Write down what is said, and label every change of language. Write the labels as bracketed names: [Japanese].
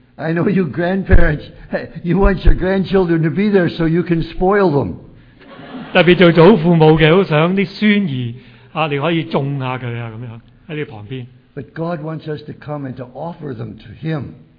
[English] I know you grandparents, you want your grandchildren to be there so you can spoil them. [Cantonese] 特别做祖父母嘅，好想啲孙儿啊，你可以种下佢啊，咁样喺你旁边。 [English] But God wants us to come and to offer them to Him.